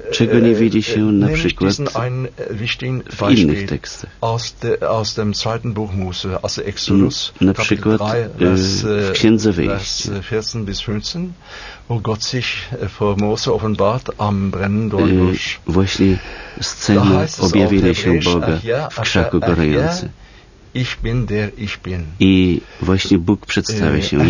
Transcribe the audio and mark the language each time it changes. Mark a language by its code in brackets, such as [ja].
[pl] czego nie widzi się na przykład w innych tekstach. [de] Aus dem zweiten Buch Mose, aus der Exodus, [pl] na przykład 3, w Księdze Wyjścia, [de] 14-15, wo Gott sich vor Mose offenbart am brennenden Busch. [pl] Właśnie scena objawienia się Boga w krzaku gorącym. [de] Ich bin der ich bin. [pl] I właśnie Bóg przedstawia się.